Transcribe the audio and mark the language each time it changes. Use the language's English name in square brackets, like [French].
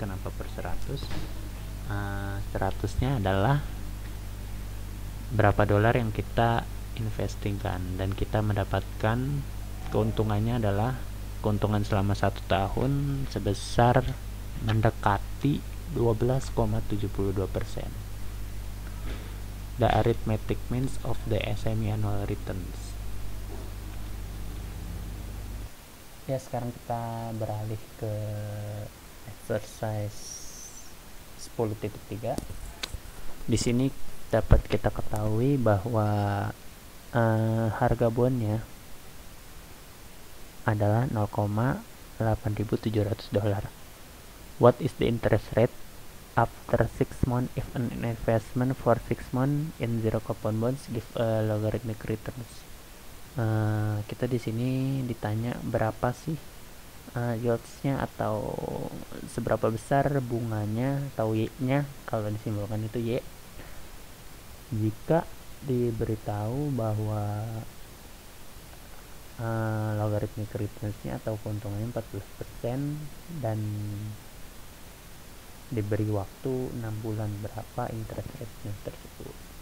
[Indonesian] Kenapa per 100? 100-nya adalah berapa dolar yang kita investingkan, dan kita mendapatkan keuntungannya adalah keuntungan selama 1 tahun sebesar mendekati 12,72%. [English] The arithmetic means of the SME annual returns. [Indonesian] Ya, sekarang kita beralih ke exercise 10.3. Di sini dapat kita ketahui bahwa harga bondnya adalah 0,8700 dolar. [English] What is the interest rate after 6 months if an investment for 6 months in zero coupon bonds give a logarithmic returns? [Indonesian] Kita di sini ditanya berapa sih yieldsnya atau seberapa besar bunganya atau Y-nya, kalau disimpulkan itu Y. Jika diberitahu bahwa logarithmic returns-nya atau keuntungannya 14% dan diberi waktu 6 bulan, berapa interest rate-nya tersebut.